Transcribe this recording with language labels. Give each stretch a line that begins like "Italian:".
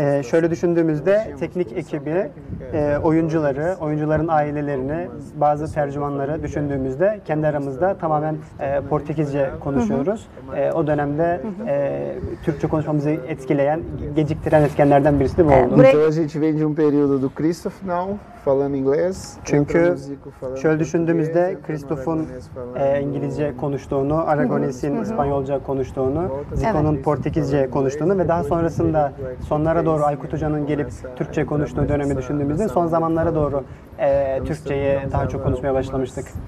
Turkish: Şöyle düşündüğümüzde teknik ekibi, oyuncuları, oyuncuların ailelerini, bazı tercümanları düşündüğümüzde kendi aramızda tamamen Portekizce konuşuyoruz. O dönemde Türkçe konuşmamızı etkileyen, geciktiren etkenlerden birisi de bu oldu.
Portuguese: Então a gente vem de um período do Christoph now falando inglês.
Turkish: Çünkü şöyle düşündüğümüzde Christoph'un İngilizce konuştuğunu, Aragonese'in İspanyolca konuştuğunu, Zico'nun Portekizce konuştuğunu ve daha sonrasında sonlara doğru Aykut Hoca'nın gelip Türkçe konuştuğu dönemi düşündüğümüzde son zamanlara doğru Türkçe'yi daha çok konuşmaya başlamıştık.